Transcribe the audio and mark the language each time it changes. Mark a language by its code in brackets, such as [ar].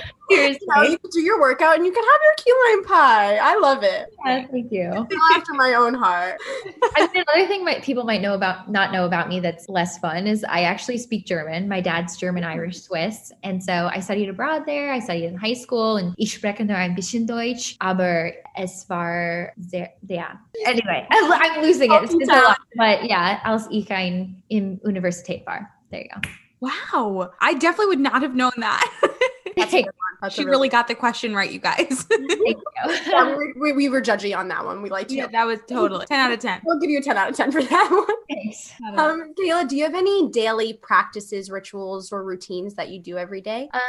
[en] Seriously. You know, you do your workout and you can have your key lime pie. I love it. Yeah, thank you. It's all after my own heart. I mean, another thing people might not know about me that's less fun is I actually speak German. My dad's German, Irish, Swiss. And so I studied abroad there. I studied in high school and [de] ich spreche nur ein bisschen Deutsch, aber es war sehr, yeah. [en] Anyway, I'm losing it. It's a lot, but yeah, [de] als ich ein im Universität war. [en] There you go. Wow. I definitely would not have known that. She really got the question right, you guys. Thank you. Yeah, we were judgy on that one. We liked it. Yeah, that was totally 10 out of 10. We'll give you a 10 out of 10 for that one. Thanks. Kayla, do you have any daily practices, rituals, or routines that you do every day?